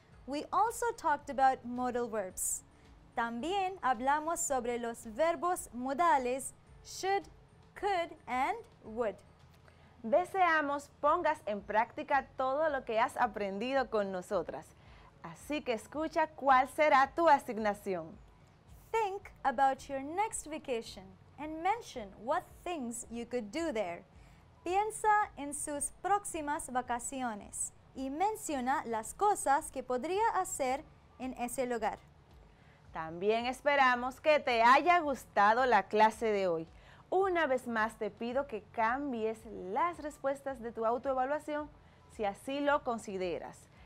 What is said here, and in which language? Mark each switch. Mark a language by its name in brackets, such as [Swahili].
[English] We also talked about modal verbs. [Spanish] También hablamos sobre los verbos modales should, could, and would. Deseamos pongas en práctica todo lo que has aprendido con nosotras. Así que escucha cuál será tu asignación. [English] Think about your next vacation and mention what things you could do there. [Spanish] Piensa en sus próximas vacaciones y menciona las cosas que podría hacer en ese lugar. También esperamos que te haya gustado la clase de hoy. Una vez más te pido que cambies las respuestas de tu autoevaluación si así lo consideras.